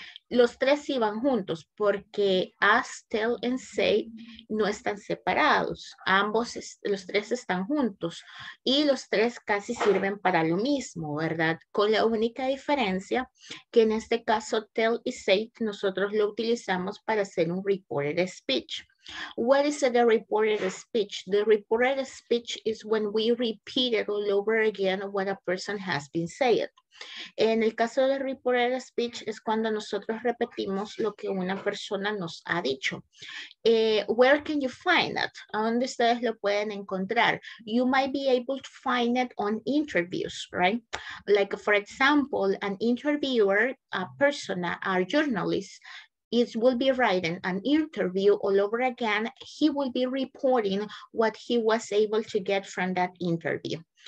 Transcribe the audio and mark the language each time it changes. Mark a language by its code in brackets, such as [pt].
[es] Los tres iban juntos porque ask, tell and say no están separados. Ambos, los tres están juntos y los tres casi sirven para lo mismo, ¿verdad? Con la única diferencia que en este caso tell y say nosotros lo utilizamos para hacer un reported speech. [en] What is the reported speech? The reported speech is when we repeat it all over again what a person has been saying. [es] En el caso de reported speech es cuando nosotros repetimos lo que una persona nos ha dicho. [en] Where can you find that? [es] ¿A dónde ustedes lo pueden encontrar? [en] You might be able to find it on interviews, right? Like for example, an interviewer, a persona, a journalist, it will be writing an interview all over again. He will be reporting what he was able to get from that interview.